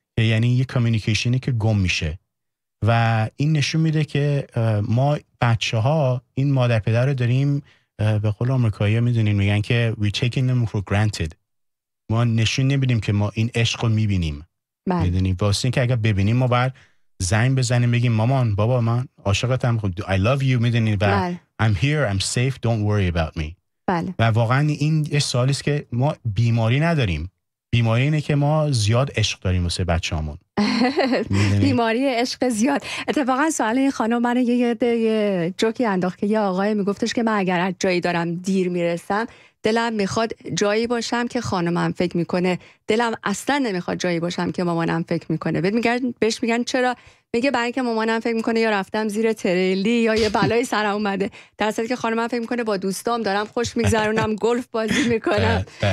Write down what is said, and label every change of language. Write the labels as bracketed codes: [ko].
[fa] یعنی یه کمیونیکیشنی که گم میشه و این نشون میده که ما بچه‌ها این مادر پدر رو داریم به قول آمریکایی‌ها میدونین میگن که [en] we taking them for granted [fa] ما نشون نمیدیم که ما این عشق رو میبینیم بله. میدونین واسه اینکه اگه ببینیم ما بعد زنگ بزنیم بگیم مامان بابا من عاشقتم [en] I love you [fa] میدونین و بله. [en] I'm here I'm safe don't worry about me [fa] بله. و واقعا این یه سوالی است که ما بیماری نداریم بیماری اینه که ما زیاد عشق داریم واسه بچه‌هامون بیماری عشق زیاد اتفاقا سوال این خانم من یه جوکی انداخت که یه آقای میگفتش که من اگر از جایی دارم دیر میرسم دلم میخواد جایی باشم که خانمم فکر میکنه دلم اصلا نمیخواد جایی باشم که مامانم فکر میکنه بهش میگن چرا میگه برای اینکه مامانم فکر میکنه یا رفتم زیر تریلی یا یه بلایی سر اومده در حالی که خانمم فکر میکنه با دوستام دارم خوش میگذرونم گلف بازی میکنم